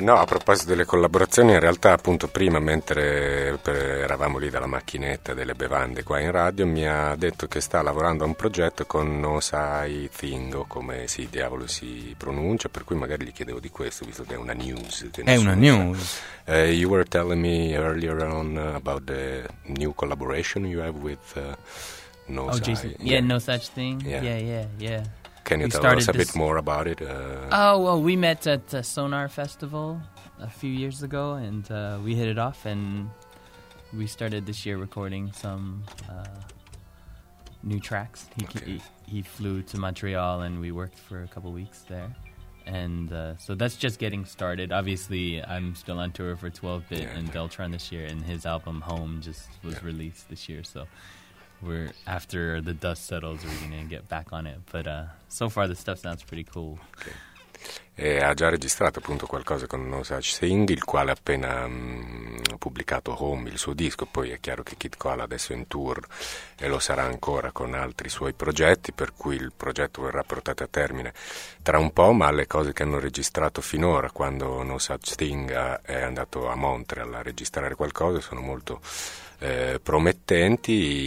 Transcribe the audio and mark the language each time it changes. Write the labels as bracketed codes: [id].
[it] No, a proposito delle collaborazioni, in realtà appunto prima, mentre eravamo lì dalla macchinetta delle bevande qua in radio, mi ha detto che sta lavorando a un progetto con Nosai Thing, o come si diavolo si pronuncia, per cui magari gli chiedevo di questo, visto che è una news. È una news. [en] You were telling me earlier on about the new collaboration you have with Nosai. Oh, Jason. Yeah, No Such Thing. Yeah. Can you tell us a bit more about it? Well, we met at the Sonar Festival a few years ago, and we hit it off, and we started this year recording some new tracks. He flew to Montreal, and we worked for a couple weeks there. And so that's just getting started. Obviously, I'm still on tour for 12-Bit and Deltron this year, and his album Home just was released this year. So we're after the dust settles, we're gonna get back on it. But so far, the stuff sounds pretty cool. Okay. [it] E ha già registrato appunto qualcosa con No Such Thing, il quale ha appena pubblicato Home, il suo disco. Poi è chiaro che Kid Koala adesso è in tour e lo sarà ancora con altri suoi progetti, per cui il progetto verrà portato a termine tra un po', ma le cose che hanno registrato finora, quando No Such Thing è andato a Montreal a registrare qualcosa, sono molto promettenti.